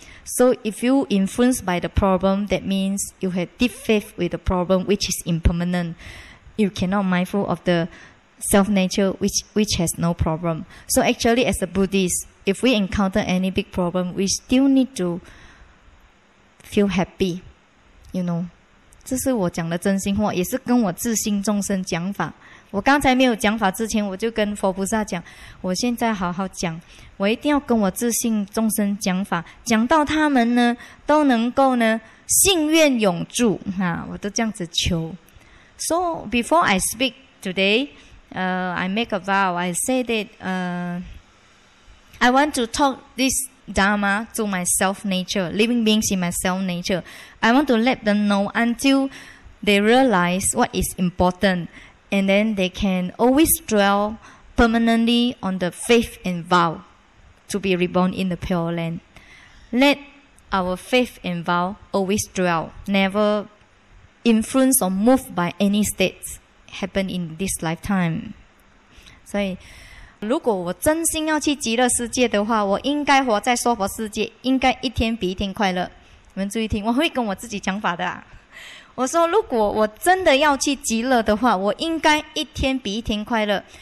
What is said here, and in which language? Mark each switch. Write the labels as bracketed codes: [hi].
[en] So if you influenced by the problem, that means you have deep faith with the problem, which is impermanent. You cannot mindful of the self nature, which has no problem. So actually, as a Buddhist, if we encounter any big problem, we still need to feel happy, you know. [zh] 这是我讲的真心话，也是跟我自心众生讲法。我刚才没有讲法之前，我就跟佛菩萨讲，我现在好好讲，我一定要跟我自信众生讲法，讲到他们呢都能够呢信愿永住啊，我都这样子求。 [en] So before I speak today, I make a vow. I say that I want to talk this dharma to my self nature, living beings in my self nature. I want to let them know until they realize what is important. And then they can always dwell permanently on the faith and vow to be reborn in the Pure Land. Let our faith and vow always dwell, never influenced or moved by any states happen in this lifetime. [zh] 所以如果我真心要去极乐世界的话，我应该活在娑婆世界，应该一天比一天快乐。你们注意听，我会跟我自己讲法的啊。我说如果我真的要去极乐的话，我应该一天比一天快乐。